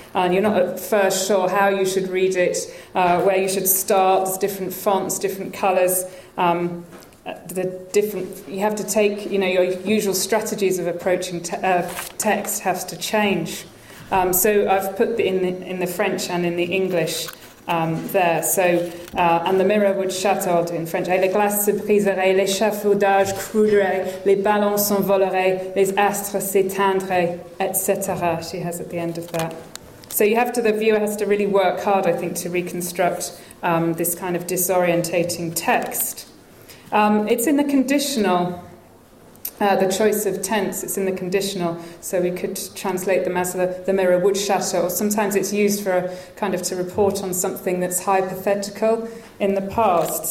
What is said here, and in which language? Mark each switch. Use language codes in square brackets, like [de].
[en] And you're not at first sure how you should read it, where you should start, there's different fonts, different colours. You have to take, you know, your usual strategies of approaching text have to change. So I've put in the French and in the English there. So, and the mirror would shatter, I'll do it in French. [fr] Les glaces se briseraient, les échafaudages crouleraient, les ballons s'envoleraient, les astres s'éteindraient, etc. [en] She has at the end of that. So the viewer has to really work hard, I think, to reconstruct this kind of disorientating text. It's in the conditional, the choice of tense, it's in the conditional, so we could translate them as the mirror would shatter, or sometimes it's used for a kind of to report on something that's hypothetical in the past.